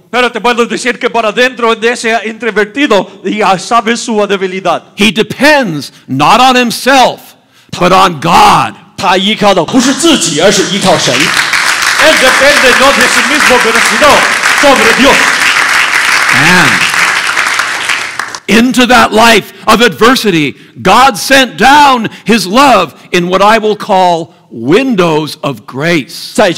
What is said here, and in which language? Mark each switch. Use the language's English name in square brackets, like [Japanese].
[Spanish] Pero te puedo decir que para dentro de ese introvertido ya sabe su debilidad. [English] He depends not on himself, but on God. [Chinese] 他依靠的不是自己，而是依靠神。 [Spanish] Él depende no de sí mismo, pero sino sobre Dios. [English] And into that life of adversity, God sent down His love in what I will call windows of grace.